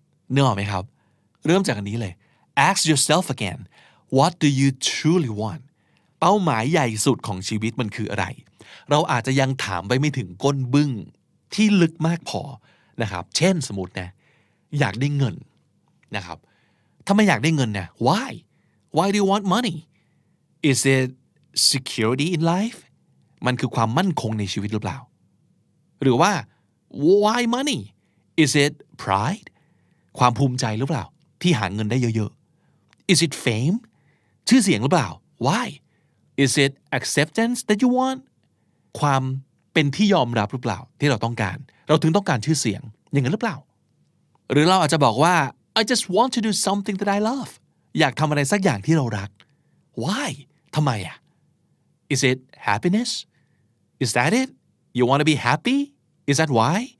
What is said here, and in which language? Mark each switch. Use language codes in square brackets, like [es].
[th] เนื้อออกไหมครับเริ่มจากอันนี้เลย [en] Ask yourself again What do you truly want [th] เป้าหมายใหญ่สุดของชีวิตมันคืออะไรเราอาจจะยังถามไปไม่ถึงก้นบึ้งที่ลึกมากพอนะครับเช่นสมมตินะอยากได้เงินนะครับถ้าไม่อยากได้เงินเนี่ย [en] Why do you want moneyIs it security in life? [th] มันคือความมั่นคงในชีวิตหรือเปล่าหรือว่า [en] why money? Is it pride? [th] ความภูมิใจหรือเปล่าที่หาเงินได้เยอะๆ [en] Is it fame? [th] ชื่อเสียงหรือเปล่า [en] Why? Is it acceptance that you want? [th] ความเป็นที่ยอมรับหรือเปล่าที่เราต้องการเราถึงต้องการชื่อเสียงอย่างนั้นหรือเปล่าหรือเราอาจจะบอกว่า [en] I just want to do something that I love [th] อยากทำอะไรสักอย่างที่เรารัก [en] Why? [th] ทำไมอ่ะ [en] Is it happiness? Is that it? You want to be happy? Is that why?